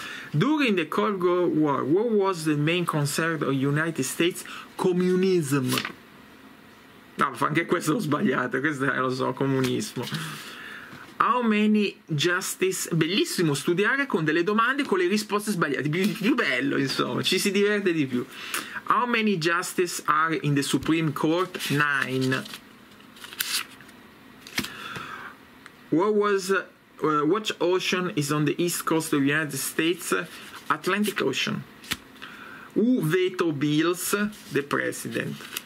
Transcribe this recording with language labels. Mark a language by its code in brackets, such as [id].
[en] During the Cold War, what was the main concern of United States? Communism. [it] No, anche questo l'ho sbagliato, questo è, lo so, comunismo. [en] How many justice? [it] Bellissimo studiare con delle domande con le risposte sbagliate. Più bello, insomma, ci si diverte di più. [en] How many justice are in the Supreme Court? 9. What ocean is on the east coast of the United States? Atlantic Ocean. Who veto bills? The president.